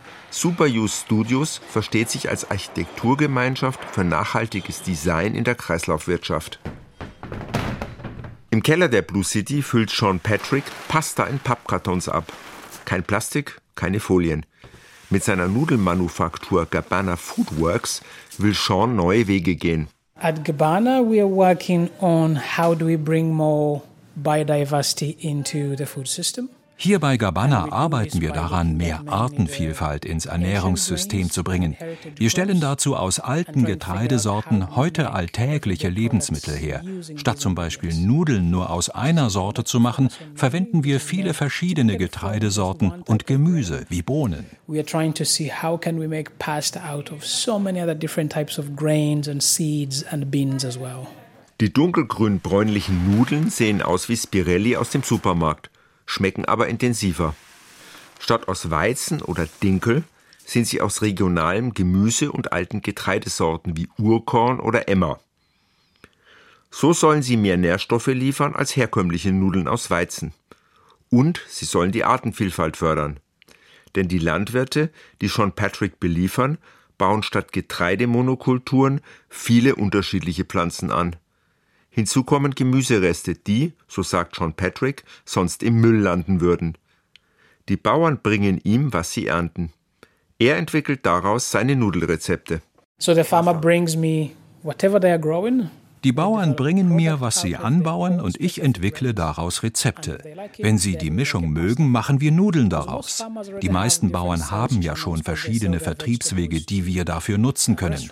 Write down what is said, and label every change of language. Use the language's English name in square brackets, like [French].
[German] Super-Use Studios versteht sich als Architekturgemeinschaft für nachhaltiges Design in der Kreislaufwirtschaft. Im Keller der Blue City füllt Sean Patrick Pasta in Pappkartons ab. Kein Plastik, keine Folien. Mit seiner Nudelmanufaktur Gabbana Foodworks will Sean neue Wege gehen. [English] At Gabbana we are working on how do we bring more biodiversity into the food system. [German] Hier bei Gabbana arbeiten wir daran, mehr Artenvielfalt ins Ernährungssystem zu bringen. Wir stellen dazu aus alten Getreidesorten heute alltägliche Lebensmittel her. Statt zum Beispiel Nudeln nur aus einer Sorte zu machen, verwenden wir viele verschiedene Getreidesorten und Gemüse wie Bohnen. [English] We are trying to see how can we make pasta out of so many other different types of grains and seeds and beans as well. [German] Die dunkelgrün-bräunlichen Nudeln sehen aus wie Spirelli aus dem Supermarkt. Schmecken aber intensiver. Statt aus Weizen oder Dinkel sind sie aus regionalem Gemüse und alten Getreidesorten wie Urkorn oder Emmer. So sollen sie mehr Nährstoffe liefern als herkömmliche Nudeln aus Weizen. Und sie sollen die Artenvielfalt fördern. Denn die Landwirte, die Sean Patrick beliefern, bauen statt Getreidemonokulturen viele unterschiedliche Pflanzen an. Hinzu kommen Gemüsereste, die, so sagt Sean Patrick, sonst im Müll landen würden. Die Bauern bringen ihm, was sie ernten. Er entwickelt daraus seine Nudelrezepte. [English] So the farmer brings me whatever they are growing. [German] Die Bauern bringen mir, was sie anbauen, und ich entwickle daraus Rezepte. Wenn sie die Mischung mögen, machen wir Nudeln daraus. Die meisten Bauern haben ja schon verschiedene Vertriebswege, die wir dafür nutzen können.